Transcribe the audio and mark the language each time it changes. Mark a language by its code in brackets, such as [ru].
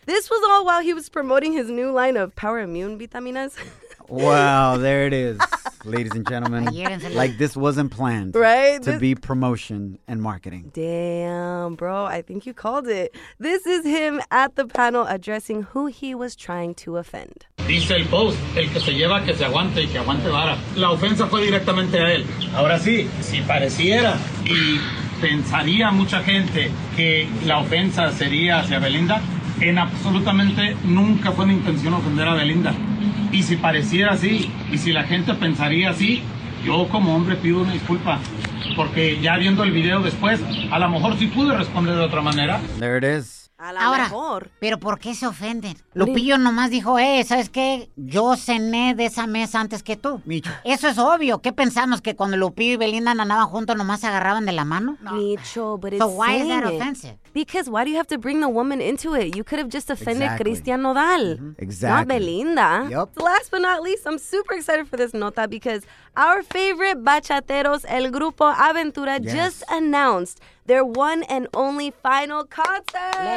[en] This was all while he was promoting his new line of Power Immune Vitaminas. Wow, there it is, ladies and gentlemen. Like, this wasn't planned, right? To be promotion and marketing. Damn, bro, I think you called it. This is him at the panel addressing who he was trying to offend. [es] Dice el post, el que se lleva, que se aguante y que aguante vara. La ofensa fue directamente a él. Ahora sí, si pareciera y pensaría mucha gente que la ofensa sería hacia Belinda, en absolutamente nunca fue mi intención ofender a Belinda. Y si pareciera así, y si la gente pensaría así, yo como hombre pido una disculpa. Porque ya viendo el video después, a lo mejor sí pude responder de otra manera. [en] There it is. [es] A lo mejor. ¿Pero por qué se ofenden? Lupillo nomás dijo, ¿sabes qué? Yo cené de esa mesa antes que tú. Micho. Eso es obvio. ¿Qué pensamos? ¿Que cuando Lupillo y Belinda andaban juntos nomás se agarraban de la mano? [en] No. Micho, but it's so why is that offensive? Because why do you have to bring the woman into it? You could have just offended Cristian Nodal. Mm-hmm. Exactly. Not Belinda. Yep. Last but not least, I'm super excited for this nota because our favorite bachateros, El Grupo Aventura, just announced their one and only final concert.